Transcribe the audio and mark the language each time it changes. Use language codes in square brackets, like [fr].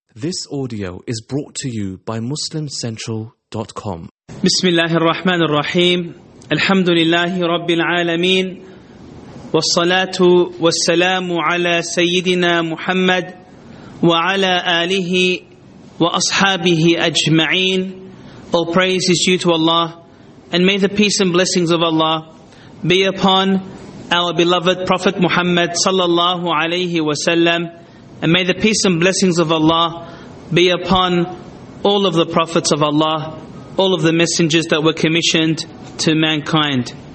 [en] This audio is brought to you by MuslimCentral.com. [ar] بسم الله الرحمن الرحيم الحمد لله رب العالمين والصلاة والسلام على سيدنا محمد وعلى آله وأصحابه أجمعين. [en] All praise is due to Allah, and may the peace and blessings of Allah be upon our beloved Prophet Muhammad [ar] sallallahu alayhi wa sallam, [en] and may the peace and blessings of Allah be upon all of the prophets of Allah, all of the messengers that were commissioned to mankind.